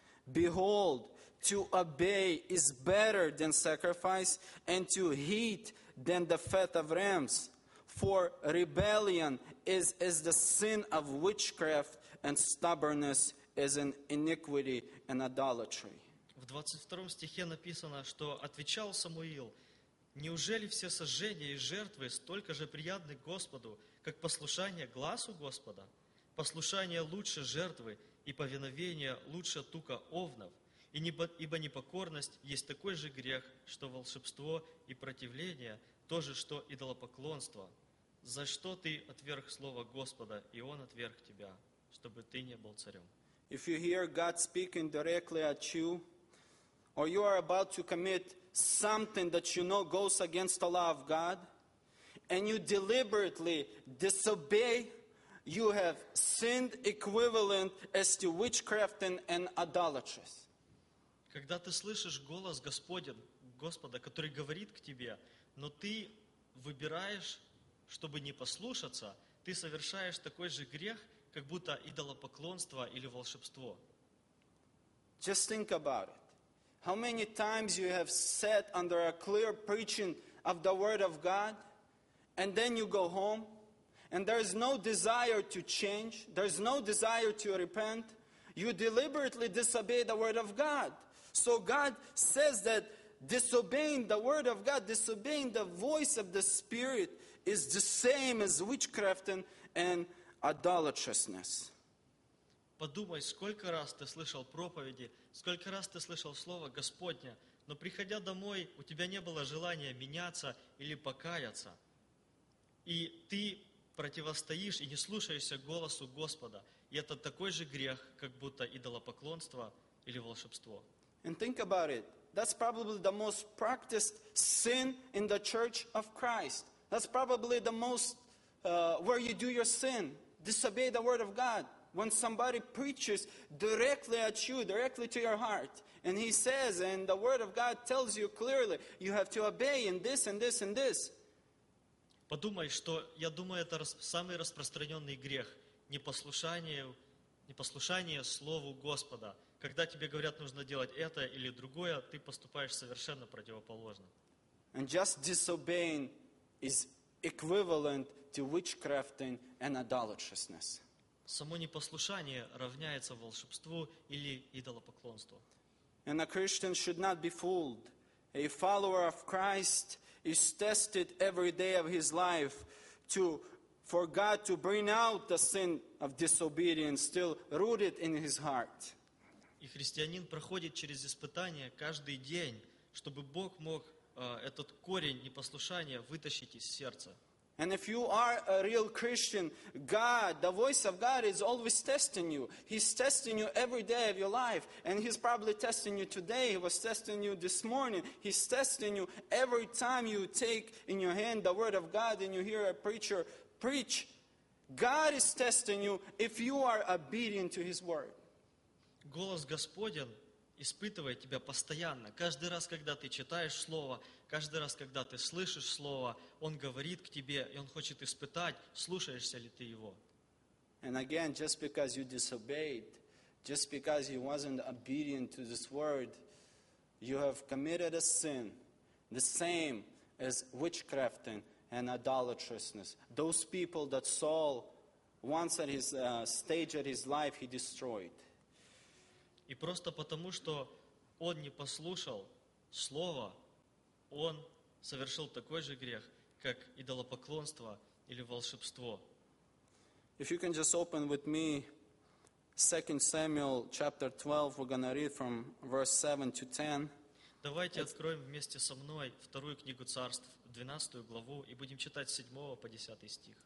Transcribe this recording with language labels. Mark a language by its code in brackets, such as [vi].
[en] Behold, to obey is better than sacrifice, and to heed than the fat of rams. For rebellion is the sin of witchcraft, and stubbornness is an iniquity and idolatry." [ru] В 22 стихе написано, что отвечал Самуил: «Неужели все сожжения и жертвы столько же приятны Господу, как послушание гласу Господа? Послушание лучше жертвы, и повиновение лучше тука овнов. Ибо непокорность есть такой же грех, что волшебство и противление, то же, что идолопоклонство. За что ты отверг слово Господа, и Он отверг тебя, чтобы ты не был царем?» [en] If you hear God speaking directly at you, or you are about to commit something that you know goes against the law of God, and you deliberately disobey, you have sinned equivalent as to witchcraft and idolatry. [ru] Когда ты слышишь голос Господа, который говорит к тебе, но ты выбираешь, чтобы не послушаться, ты совершаешь такой же грех, как будто идолопоклонство или волшебство. [en] Just think about it. How many times you have sat under a clear preaching of the Word of God, and then you go home, and there is no desire to change, there is no desire to repent, you deliberately disobey the Word of God. So God says that disobeying the word of God, disobeying the voice of the Spirit is the same as witchcraft and idolatrousness. [ru] Подумай, сколько раз ты слышал проповеди, сколько раз ты слышал слово Господне, но приходя домой, у тебя не было желания меняться или покаяться. И ты противостоишь и не слушаешься голосу Господа. И это такой же грех, как будто идолопоклонство или волшебство. [en] And think about it. That's probably the most practiced sin in the church of Christ. That's probably the most where you do your sin. Disobey the word of God. When somebody preaches directly at you, directly to your heart, and he says, and the word of God tells you clearly, you have to obey in this, and this, and this. [ru] Подумай, что, я думаю, это самый распространенный грех. непослушание Слову Господа. Когда тебе говорят, нужно делать это или другое, ты поступаешь совершенно противоположно. [en] And just disobeying is equivalent to witchcrafting and idolatrousness. [ru] Само непослушание равняется волшебству или идолопоклонству. [en] And a Christian should not be fooled. A follower of Christ is tested every day of his life for God to bring out the sin of disobedience still rooted in his heart. [ru] И христианин проходит через испытания каждый день, чтобы Бог мог этот корень непослушания вытащить из сердца. [en] And if you are a real Christian, God, the voice of God is always testing you. He's testing you every day of your life. And he's probably testing you today. He was testing you this morning. He's testing you every time you take in your hand the word of God and you hear a preacher preach. God is testing you if you are obedient to his word. [ru] Голос Господен испытывает тебя постоянно. Каждый раз, когда ты читаешь Слово, каждый раз, когда ты слышишь Слово, Он говорит к тебе, и Он хочет испытать, слушаешься ли ты Его. [en] And again, just because you disobeyed, just because you wasn't obedient to this word, you have committed a sin, the same as witchcrafting and idolatrousness. Those people that Saul, once at his stage of his life, he destroyed. [ru] И просто потому, что он не послушал Слова, он совершил такой же грех, как идолопоклонство или волшебство. [en] If you can just open with me 2 Samuel chapter 12, we're going to read from verse 7 to 10. [ru] Давайте откроем вместе со мной вторую книгу царств, 12 главу, и будем читать с 7 по 10 стих.